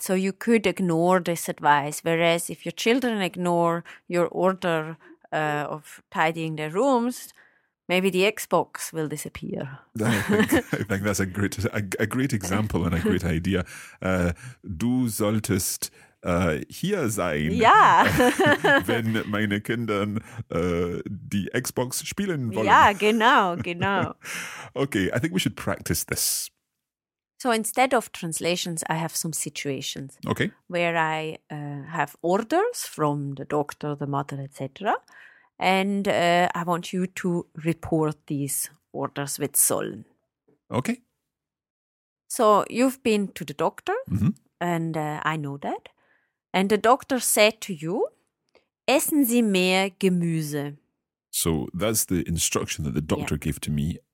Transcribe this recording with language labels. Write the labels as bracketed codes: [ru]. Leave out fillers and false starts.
[en] So you could ignore this advice. Whereas if your children ignore your order of tidying their rooms, maybe the Xbox will disappear. I think that's a great example and a great idea. [de] Du solltest hier sein. [en] Yeah. [de] Wenn meine Kinder die Xbox spielen wollen. [en] Yeah, genau. Okay, I think we should practice this. So instead of translations, I have some situations. Okay. Where I have orders from the doctor, the mother, etc., and I want you to report these orders with sollen. Okay. So you've been to the doctor, and I know that. And the doctor said to you, [de] essen Sie mehr Gemüse. [en] So that's the instruction that the doctor gave to me.